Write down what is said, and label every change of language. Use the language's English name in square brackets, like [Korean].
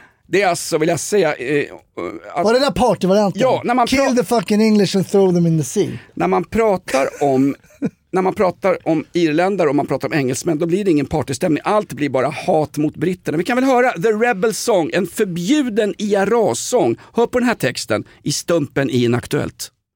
[Swedish] Det är alltså, vill jag säga... att, var det där partyvarianten? Ja, när man [English] kill the fucking English and throw them in the sea. [Swedish] När man pratar om... när man pratar om irländare och man pratar om engelsmän, då blir det ingen partystämning. Allt blir bara hat mot britterna. Vi kan väl höra The Rebel Song, en förbjuden IRA-sång. Hör på den här texten i stumpen i Inaktuellt.